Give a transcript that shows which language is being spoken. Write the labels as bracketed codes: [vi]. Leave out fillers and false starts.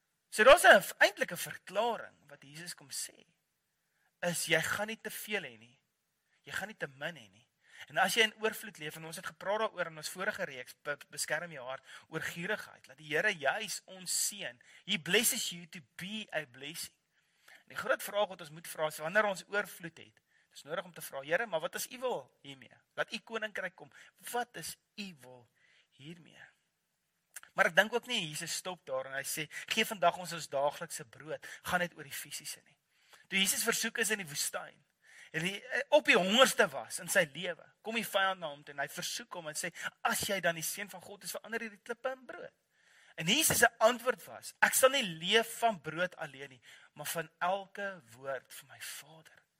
[af] So daar is eintlik 'n verklaring, wat Jesus kom sê, is jy gaan nie te veel hê nie. Jy gaan nie te min hê nie. En as jy in oorvloed leef, en ons het gepraat daaroor in ons vorige reeks, beskerm jou hart oor gierigheid, laat die Here juis ons seën. [en] He blesses you to be a blessing. [af] En die groot vraag wat ons moet vra is, wanneer ons oorvloed het, is nodig om te vra: "Here, maar wat is u wil hiermee? Laat u koninkryk kom. Wat is u wil hiermee?" Maar ek dink ook nie Jesus stop daar en hy sê, "Gee vandag ons daaglikse brood." Gaan net oor die fisiese nie. Toe Jesus versoek is in die woestyn, en hy op die hongerste was in sy lewe, kom die vyand na hom toe en hy versoek hom en sê, "As jy dan die seun van God is, verander hierdie klippe in brood." En Jesus se antwoord was, "Ek sal nie leef van brood alleen nie, maar van elke woord van my Vader."